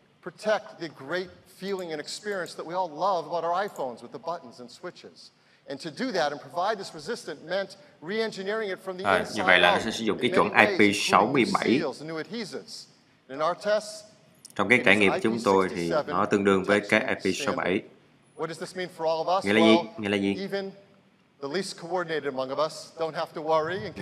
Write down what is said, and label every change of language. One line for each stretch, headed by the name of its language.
English: Protect the great feeling and experience that we all love about our iPhones with the buttons and switches. And to do that and provide this resistance meant re-engineering it from the inside.
Vietnamese: Như vậy là nó sẽ sử dụng cái chuẩn IP67.
English: In our tests,
Vietnamese: trong cái trải nghiệm chúng tôi thì nó tương đương với cái IP67.
English: What does this mean for all of us?
Vietnamese: Nghĩa là gì? Nghĩa là gì?
English: Even the least coordinated among us don't have to worry in case.